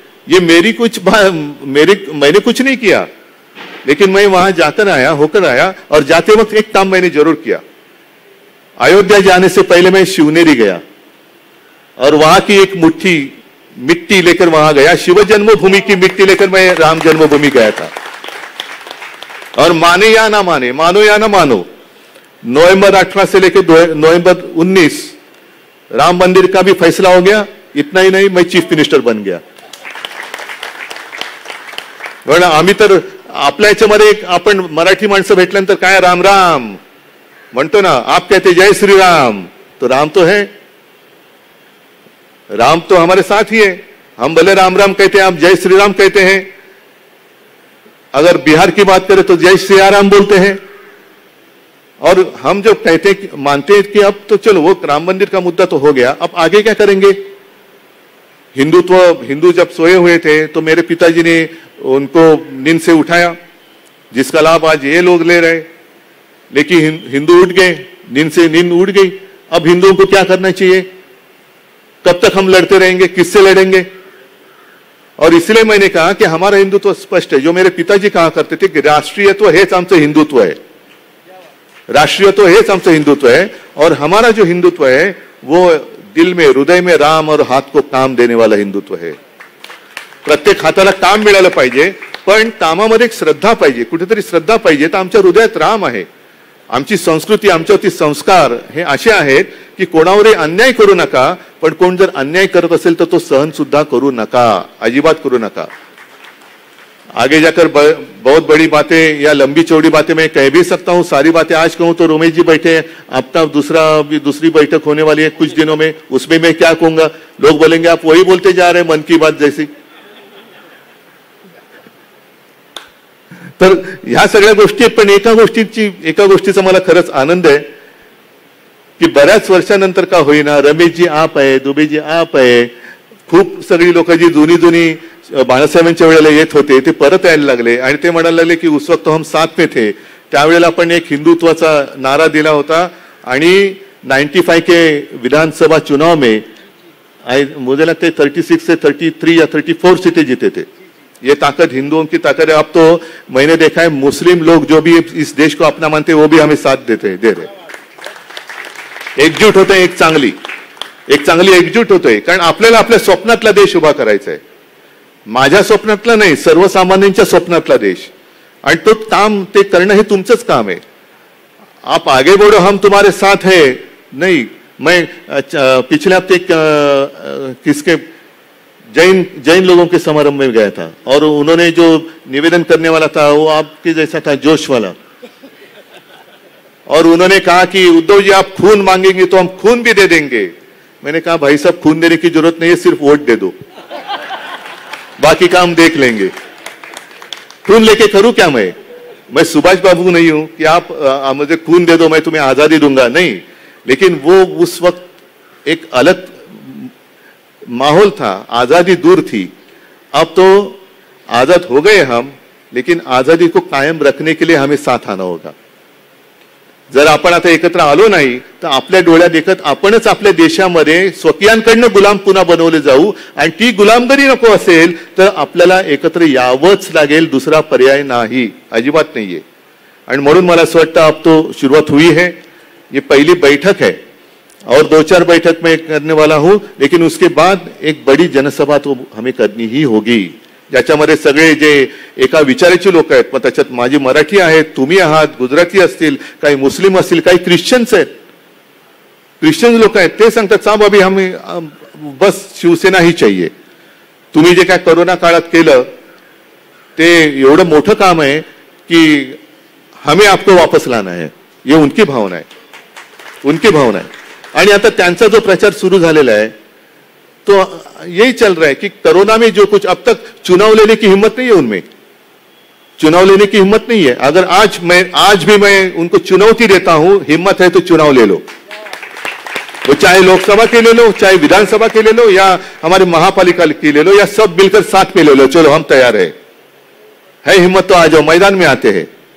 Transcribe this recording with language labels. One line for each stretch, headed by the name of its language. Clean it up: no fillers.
Hindi: ये मेरी कुछ मेरे मैंने कुछ नहीं किया, लेकिन मैं वहां जाकर आया, होकर आया, और जाते वक्त एक काम मैंने जरूर किया, अयोध्या जाने से पहले मैं शिवनेरी गया और वहां की एक मुट्ठी मिट्टी लेकर वहां गया, शिव जन्मभूमि की मिट्टी लेकर मैं राम जन्मभूमि गया था। और माने या ना माने, मानो या ना मानो, नवंबर 18 से लेकर नवंबर 19 राम मंदिर का भी फैसला हो गया, इतना ही नहीं मैं चीफ मिनिस्टर बन गया।
Marathi: आम्ही तर आपल्याच्या मध्ये आपण मराठी माणसं भेटल्यानंतर काय राम राम म्हणतो ना,
Hindi: आप कहते जय श्री राम, तो राम तो है, राम तो हमारे साथ ही है। हम भले राम राम कहते हैं, आप जय श्री राम कहते हैं, अगर बिहार की बात करें तो जय श्री राम बोलते हैं। और हम जो कहते मानते हैं कि अब तो चलो वो राम मंदिर का मुद्दा तो हो गया, अब आगे क्या करेंगे? हिंदुत्व, हिंदू जब सोए हुए थे तो मेरे पिताजी ने उनको नींद से उठाया, जिसका लाभ आज ये लोग ले रहे, लेकिन हिंदू उठ गए, नींद से नींद उठ गई, अब हिंदुओं को क्या करना चाहिए? कब तक हम लड़ते रहेंगे, किससे लड़ेंगे? और इसलिए मैंने कहा कि हमारा हिंदुत्व स्पष्ट है, जो मेरे पिताजी कहा करते थे कि राष्ट्रीयत्व है हमसे हिंदुत्व है, राष्ट्रीयत्व है हमसे हिंदुत्व है, और हमारा जो हिंदुत्व है वो दिल में हृदय में राम और हाथ को काम देने वाला हिंदुत्व है।
Marathi: प्रत्येक हाताला काम मिळालं पाहिजे, पण कामामध्ये एक श्रद्धा पाहिजे, कुठेतरी श्रद्धा पाहिजे, तर आमच्या हृदयात राम आहे। आमची संस्कृती, आमच्यावरती संस्कार हे असे आहेत की कोणावरही अन्याय करू नका, पण कोण जर अन्याय करत असेल तर तो सहन सुद्धा करू नका, अजिबात करू नका।
Hindi: आगे जाकर बहुत बड़ी बातें या लंबी चौड़ी बातें मैं कह भी सकता हूं, सारी बातें आज कहूं तो रमेश जी बैठे हैं, अब दूसरा भी दूसरी बैठक होने वाली है कुछ दिनों में, उसमें मैं क्या कहूंगा, लोग बोलेंगे आप वही बोलते जा रहे हैं मन की बात जैसी।
Marathi: तर ह्या सगळ्या गोष्टी, पण एका गोष्टीचा मला खरच आनंद है कि बऱ्याच वर्षांनंतर का होईना रमेश जी आप आहे, दुबे जी आप आहे, खूप सगळी लोक जी जुनी जुनी बाळासाहेबांच्या वेळेला येत होते ते परत यायला लागले, आणि ते म्हणायला लागले की
Hindi: उस वक्त हम साथ में थे,
Marathi: त्यावेळेला आपण एक हिंदुत्वाचा नारा दिला होता, आणि
Hindi: 95 के विधानसभा चुनाव में मुझे लगता है 36 से 33 या 34 सीटें जीते थे। ये ताकत हिंदुओं की ताकत है। अब तो मैंने देखा है मुस्लिम लोग जो भी इस देश को अपना मानते हैं वो भी हमें साथ देते हैं, दे रहे, एकजुट होते हैं, एक चांगली एकजुट होते हैं।
Marathi: कारण आपल्याला आपल्या स्वप्नातला देश उभा करायचा आहे, माझ्या स्वप्नातला नाही, सर्वसामान्यांच्या स्वप्नातला देश, आणि तो काम ते करणं हे तुमचंच काम आहे।
Hindi: आप आगे बढ़ो, हम तुम्हारे साथ है। नहीं, मैं पिछले हफ्ते किसके जैन लोगों के समारंभ में गया था और उन्होंने जो निवेदन करने वाला था वो आपके जैसा था, जोश वाला, और उन्होंने कहा कि उद्धव जी आप खून मांगेंगे तो हम खून भी दे देंगे। मैंने कहा भाई साहब खून देने की जरूरत नहीं है, सिर्फ वोट दे दो, बाकी काम देख लेंगे। खून लेके करूं क्या मैं सुभाष बाबू नहीं हूं कि आप मुझे खून दे दो मैं तुम्हें आजादी दूंगा, नहीं। लेकिन वो उस वक्त एक अलग माहौल था, आजादी दूर थी, अब तो आजाद हो गए हम, लेकिन आजादी को कायम रखने के लिए हमें साथ आना होगा।
Marathi: जर आपण आता एकत्र आलो नाही तर आपल्या डोळ्या देखत आपणच आपल्या देशामध्ये स्वकीयांकडनं गुलाम पुन्हा बनवले जाऊ, आणि ती गुलामगिरी नको असेल तर आपल्याला एकत्र यावंच लागेल, दुसरा पर्याय नाही, अजिबात नाहीये। आणि म्हणून मला असं वाटतं
Hindi: आप तो सुरुवात हुई है, ये पहिली बैठक है और दो चार बैठक मैं करने वाला हूं, लेकिन उसके बाद एक बड़ी जनसभा तो हमें करनी ही होगी,
Marathi: ज्याच्यामध्ये सगळे जे एका विचाराचे लोक आहेत, मग त्याच्यात माझी मराठी आहेत, तुम्ही आहात, गुजराती असतील, काही मुस्लिम असतील, काही ख्रिश्चन्स आहेत, ख्रिश्चन लोक आहेत, ते सांगतात
Hindi: साहब अभी हमें बस शिवसेना ही चाहिए।
Marathi: तुम्ही जे काय कोरोना काळात केलं ते एवढं मोठं काम आहे की
Hindi: हमें आपको वापस लाना है,
Marathi: ये उनकी भावना आहे, उनकी भावना आहे। आणि आता त्यांचा जो प्रचार सुरू झालेला आहे तो
Hindi: यही चल रहा है कि कोरोना में जो कुछ अब तक चुनाव लेने की हिम्मत नहीं है, उनमें चुनाव लेने की हिम्मत नहीं है। अगर आज भी मैं उनको चुनौती देता हूं, हिम्मत है तो चुनाव ले लो, वो चाहे लोकसभा के ले लो, चाहे विधानसभा के ले लो, या हमारे महापालिका की ले लो, या सब मिलकर साथ में ले लो, चलो हम तैयार है हिम्मत तो आ जाओ, मैदान में आते हैं।